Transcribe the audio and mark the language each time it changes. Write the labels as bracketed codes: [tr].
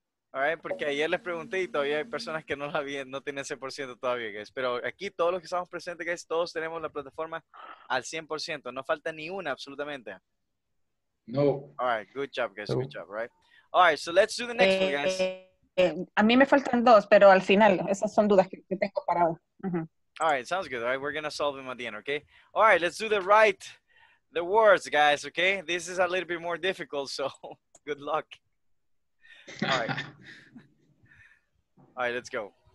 [en] All right, [es] porque ayer les pregunté y todavía hay personas que no la vi, no tienen ese por ciento todavía, guys. Pero aquí todos los que estamos presentes, guys, todos tenemos la plataforma al 100%. No falta ni una, absolutamente. No. [en] All right, good job, guys. No. Good job, right? All right, so let's do the next one, guys. [es] A mí me faltan dos, pero al final esas son dudas que tengo parado. [en] Uh-huh. All right, sounds good. All right, we're gonna solve them at the end, okay? All right, let's do the words, guys. Okay, this is a little bit more difficult, so good luck. All right, let's go.